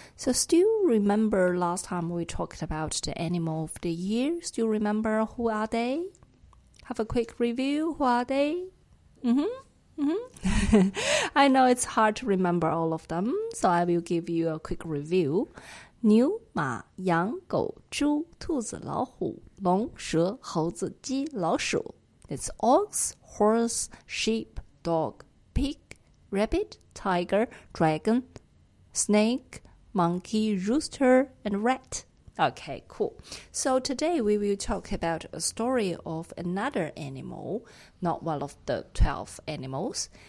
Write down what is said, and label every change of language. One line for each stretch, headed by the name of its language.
English: So still remember last time we talked about the animal of the year? Still remember who are they? Have a quick review. Who are they? I know it's hard to remember all of them, so I will give you a quick review.
Chinese: 牛、马、羊、狗、猪、兔子、老虎、龙、蛇、猴子、鸡、老鼠。
English: It's ox, horse, sheep, dog, pig, rabbit, tiger, dragon, snake, monkey, rooster, and rat. Okay, cool. So today we will talk about a story of another animal, not one of the 12 animals.